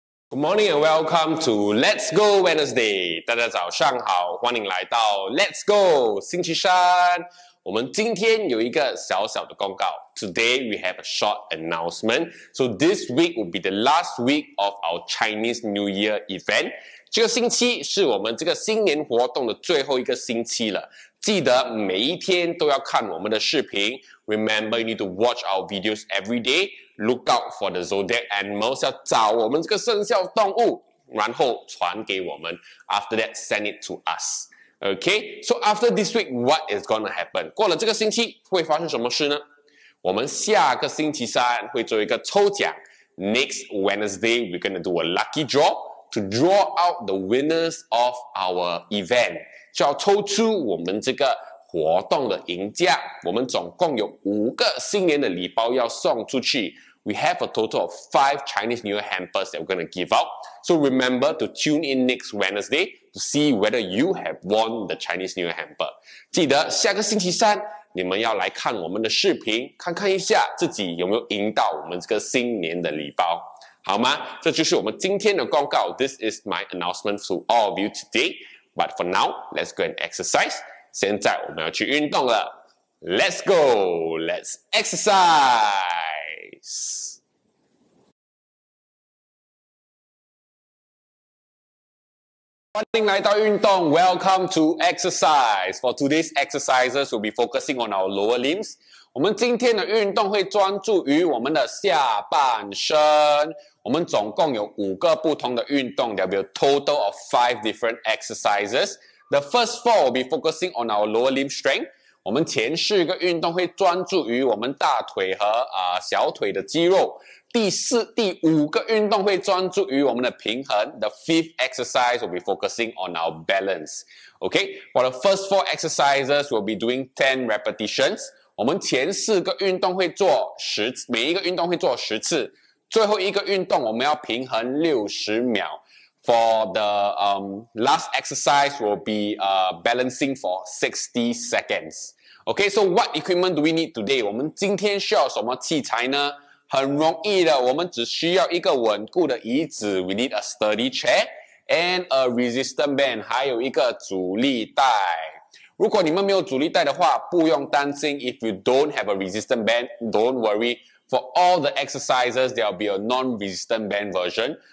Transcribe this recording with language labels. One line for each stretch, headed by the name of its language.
English: Good morning and welcome to Let's Go Wednesday.
Chinese: 大家早上好，欢迎来到 Let's Go 星期三。我们今天有一个小小的公告。
English: Today we have a short announcement. So this week will be the last week of our Chinese New Year event.
Chinese: 这个星期是我们这个新年活动的最后一个星期了。记得每一天都要看我们的视频。
English: Remember, you need to watch our videos every day. Look out for the zodiac animals.
Chinese: 要找我们这个生肖动物，然后传给我们。
English: After that, send it to us. Okay? So after this week, what is going to happen?
Chinese: 过了这个星期会发生什么事呢？我们下个星期三会做一个抽奖。
English: Next Wednesday, we're going to do a lucky draw to draw out the winners of our event.
Chinese: 就要抽出我们这个活动的赢家，我们总共有五个新年的礼包要送出去。
English: We have a total of 5 Chinese New Year hampers that we're going to give out. So remember to tune in next Wednesday to see whether you have won the Chinese New Year hamper.
Chinese: 记得下个星期三你们要来看我们的视频，看看一下自己有没有赢到我们这个新年的礼包，好吗？这就是我们今天的公告。
English: This is my announcement to all of you today. But for now, let's go and exercise.
Chinese: 现在我们要去运动了。
English: Let's go! Let's exercise! Welcome
Chinese: 来到运动
English: Welcome to exercise. For today's exercises, we'll be focusing on our lower limbs.
Chinese: 我们今天的运动会专注于我们的下半身。我们总共有五个不同的运动
English: There will be a total of 5 different exercises. The first 4 will be focusing on our lower limb strength.
Chinese: 我们前四个运动会专注于我们大腿和小腿的肌肉。第五个运动会专注于我们的平衡。
English: The fifth exercise will be focusing on our balance. Okay, for the first 4 exercises, we'll be doing 10 repetitions.
Chinese: 我们前四个运动会做十次，每一个运动会做十次。最后一个运动我们要平衡60秒。
English: For the last exercise will be balancing for 60 seconds. Okay, so what equipment do we need today?
Chinese: 我们今天需要什么器材呢？很容易的，我们只需要一个稳固的椅子。
English: We need a sturdy chair and a resistance band,
Chinese: 还有一个阻力带。如果你们没有阻力带的话，不用担心。
English: If you don't have a resistance band, don't worry. For all the exercises, there will be a non-resistant band version.